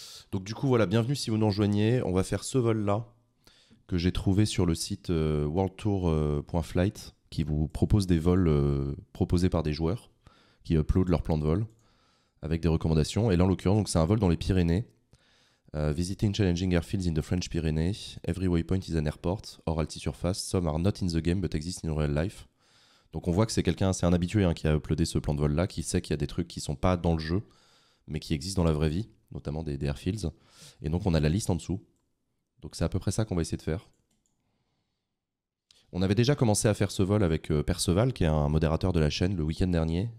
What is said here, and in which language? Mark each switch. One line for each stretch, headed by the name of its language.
French: Donc du coup, voilà, bienvenue si vous nous rejoignez. On va faire ce vol-là que j'ai trouvé sur le site worldtour.flight qui vous propose des vols proposés par des joueurs qui uploadent leur plan de vol avec des recommandations. Et là, en l'occurrence, donc c'est un vol dans les Pyrénées.
English: Visiting challenging airfields in the French Pyrenees. Every waypoint is an airport, or altisurface. Some are not in the game, but exist in real life.
French: Donc on voit que c'est quelqu'un, c'est un habitué hein, qui a uploadé ce plan de vol-là, qui sait qu'il y a des trucs qui ne sont pas dans le jeu, mais qui existent dans la vraie vie, notamment des airfields. Et donc on a la liste en dessous. Donc c'est à peu près ça qu'on va essayer de faire. On avait déjà commencé à faire ce vol avec Perceval, qui est un modérateur de la chaîne, le week-end dernier.